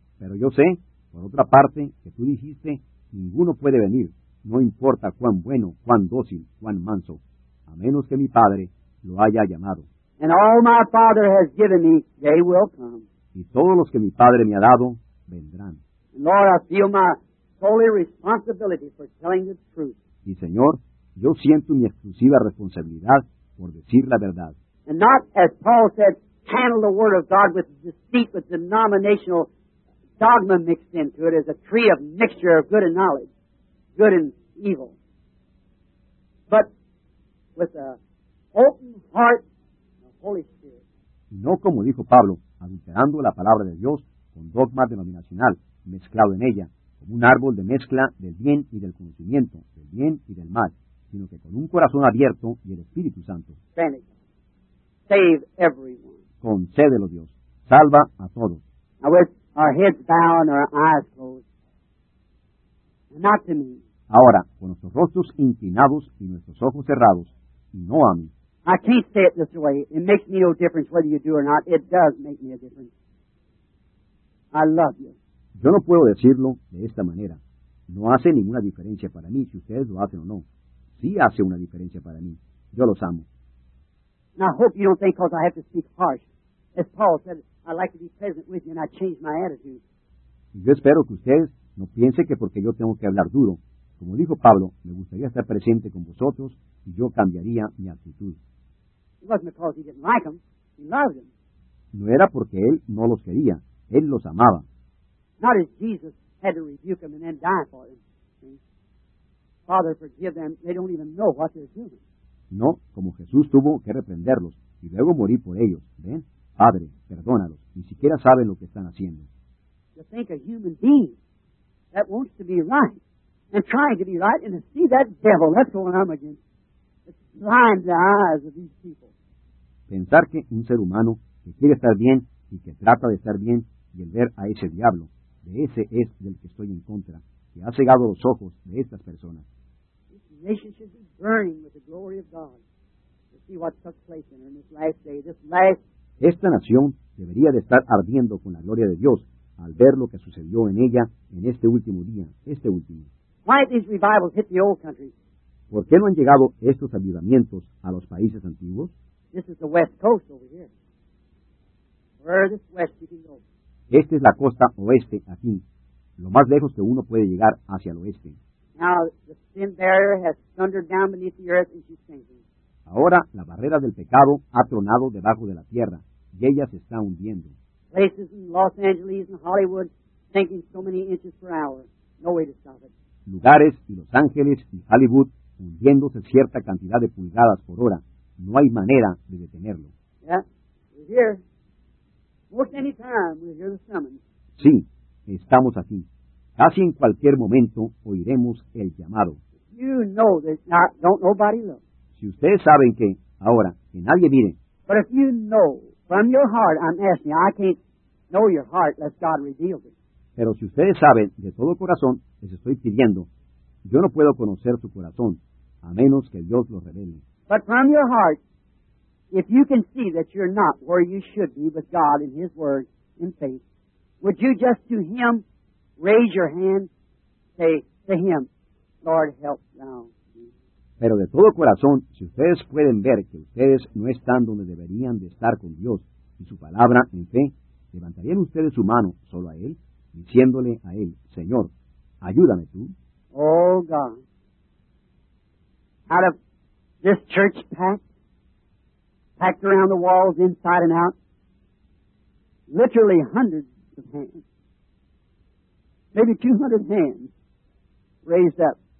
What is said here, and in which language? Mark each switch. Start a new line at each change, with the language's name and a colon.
Spanish: Pero yo sé, por otra parte, que tú dijiste, ninguno puede venir, no importa cuán bueno, cuán dócil, cuán manso, a menos que mi Padre lo haya llamado.
English: And all my Father has given me, they will come.
Spanish: Y todos los que mi Padre me ha dado, vendrán.
English: Lord, I feel my holy responsibility for telling the truth.
Spanish: Y Señor, yo siento mi exclusiva responsabilidad por decir la verdad.
English: And not, as Paul said, handle the word of God with deceit, with denominational dogma mixed into it as a tree of mixture of good and knowledge, good and evil. But with an open heart and the Holy Spirit.
Spanish: No como dijo Pablo, adulterando la palabra de Dios con dogma denominacional, mezclado en ella, como un árbol de mezcla del bien y del conocimiento, del bien y del mal, sino que con un corazón abierto y el Espíritu Santo.
English: Save everyone.
Spanish: Concédelo, Dios. Salva a todos.
English: Now with our heads bowed and our eyes closed, not to me.
Spanish: Ahora, con nuestros rostros inclinados y nuestros ojos cerrados, y no a mí.
English: I can't say it this way. It makes me no difference whether you do or not. It does make me a difference. I love you.
Spanish: Yo no puedo decirlo de esta manera. No hace ninguna diferencia para mí si ustedes lo hacen o no. Sí hace una diferencia para mí. Yo los amo.
English: And I hope you don't think because I have to speak harsh. As Paul said, I like to be present with you and I change my attitude.
Spanish: Y yo espero que ustedes no piensen que porque yo tengo que hablar duro. Como dijo Pablo, me gustaría estar presente con vosotros y yo cambiaría mi actitud.
English: It wasn't because he didn't like them. He loved them.
Spanish: No era porque él no los quería. Él los amaba.
English: Not as Jesus had to rebuke them and then die for them. See? Father, forgive them. They don't even know what they're doing.
Spanish: No, como Jesús tuvo que reprenderlos y luego morir por ellos. ¿Ven? Padre, perdónalos. Ni siquiera saben lo que están haciendo.
English: To think a human being that wants to be right and trying to be right and to see that devil, that's the one I'm against. It's blind the eyes of these people.
Spanish: Pensar que un ser humano que quiere estar bien y que trata de estar bien y el ver a ese diablo, de ese es del que estoy en contra, que ha cegado los ojos de estas personas.
English: This nation should be burning with the glory of God to see what took place in her in this last day, this last
Spanish: Esta nación debería de estar ardiendo con la gloria de Dios al ver lo que sucedió en ella en este último día, este último.
English: Why these revivals hit the old country?
Spanish: ¿Por qué no han llegado estos avivamientos a los países antiguos?
English: This is the west coast over here. Furthest west you can go.
Spanish: Esta es la costa oeste aquí, lo más lejos que uno puede llegar hacia el oeste.
English: Now the sin barrier has thundered down beneath the earth and she's sinking.
Spanish: Ahora la barrera del pecado ha tronado debajo de la tierra y ella se está hundiendo.
English: Places in Los Angeles and Hollywood sinking so many inches per hour. No way to stop it.
Spanish: Lugares y Los Ángeles y Hollywood hundiéndose cierta cantidad de pulgadas por hora. No hay manera de detenerlo.
English: Yeah, we're here. Most any time we hear the summons.
Spanish: Sí, estamos aquí. Casi en cualquier momento oiremos el llamado.
English: You know that not, don't nobody look.
Spanish: Si ustedes saben que, ahora, que nadie mire.
English: But if you know from your heart, I'm asking, I can't know your heart unless God reveals it.
Spanish: Pero si ustedes saben de todo corazón, les estoy pidiendo, yo no puedo conocer su corazón, a menos que Dios lo revele.
English: But from your heart, if you can see that you're not where you should be with God in His Word, in faith, would you just to Him raise your hand, say to Him, Lord, help now.
Spanish: Pero de todo corazón, si ustedes pueden ver que ustedes no están donde deberían de estar con Dios y su palabra en fe, ¿levantarían ustedes su mano solo a Él, diciéndole a Él, Señor, ayúdame tú?
English: Oh, God, out of this church packed around the walls inside and out, literally hundreds of hands, maybe 200 hands raised up.